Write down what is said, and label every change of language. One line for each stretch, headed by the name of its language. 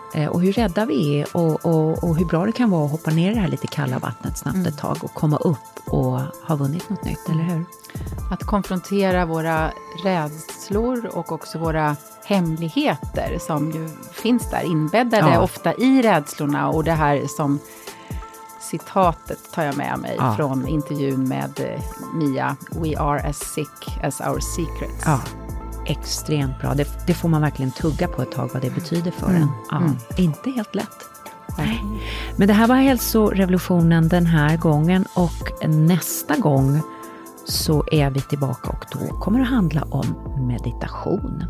Swedish: Och hur rädda vi är och hur bra det kan vara att hoppa ner i det här lite kalla vattnet snabbt ett tag och komma upp och ha vunnit något nytt, eller hur? Att konfrontera våra rädslor och också våra hemligheter som ju finns där inbäddade ofta i rädslorna, och det här som citatet tar jag med mig från intervjun med Mia.
English: We are as sick as our secrets.
Swedish: Ja, extremt bra. Det får man verkligen tugga på ett tag vad det betyder för en. Ja. Mm. Inte helt lätt. Nej. Men det här var hälsorevolutionen den här gången. Och nästa gång så är vi tillbaka, och då kommer det handla om meditation.